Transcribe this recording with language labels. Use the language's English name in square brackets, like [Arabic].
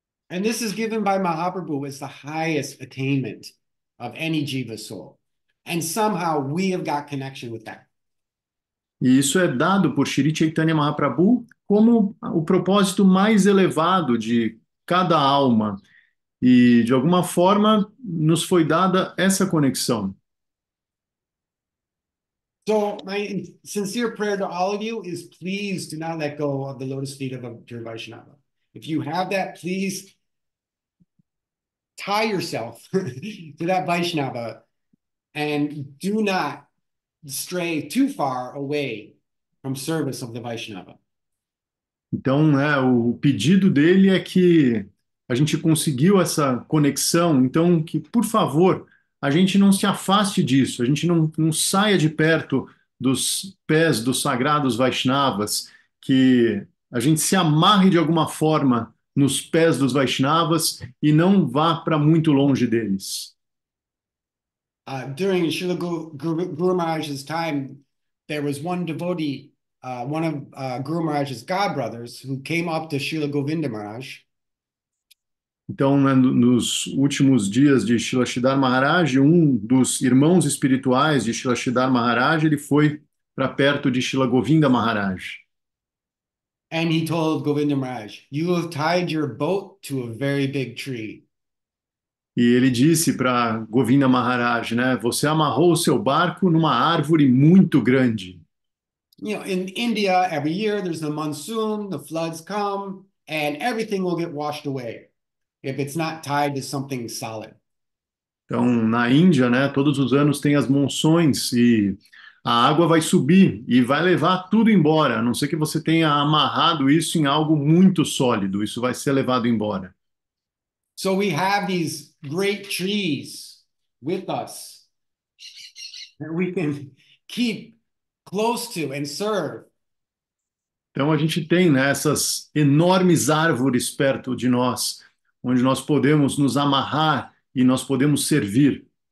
[English] And this is given by Mahaprabhu as the highest attainment of any jiva soul. And somehow we have got connection with that. [Portuguese] E isso é dado por Sri Chaitanya Mahaprabhu como o propósito mais elevado de cada alma. E, de alguma forma, nos foi dada essa conexão. [English] So, my sincere prayer to all of you is please do not let go of the lotus feet of a pure Vaishnava. If you have that, please tie yourself to that Vaishnava and do not stray too far away from service of the Vaishnava. [Portuguese] Então, né, o pedido dele é que a gente conseguiu essa conexão, então que, por favor, a gente não se afaste disso, a gente não saia de perto dos pés dos sagrados Vaishnavas, que a gente se amarre de alguma forma nos pés dos Vaishnavas e não vá para muito longe deles. [English] During Srila Guru Maharaj's time, there was one devotee, one of Guru Maharaj's god brothers, who came up to Srila Govinda Maharaj. [Portuguese] Então, né, nos últimos dias de Srila Siddhar Maharaj, um dos irmãos espirituais de Srila Siddhar Maharaj, ele foi para perto de Srila Govinda Maharaj. [English] And he told Govinda Maharaj, "You have tied your boat to a very big tree." [Portuguese] E ele disse para Govinda Maharaj, né, você amarrou o seu barco numa árvore muito grande. [English] You know, in India, every year there's the monsoon, the floods come, and everything will get washed away if it's not tied to something solid. [Portuguese] Então, na Índia, né, todos os anos tem as monções e a água vai subir e vai levar tudo embora, a não ser que você tenha amarrado isso em algo muito sólido, isso vai ser levado embora. [English] So we have these great trees with us that we can keep close to and serve. [Portuguese] Então a gente tem, né, essas enormes árvores perto de nós, onde nós podemos nos amarrar e nós podemos servir.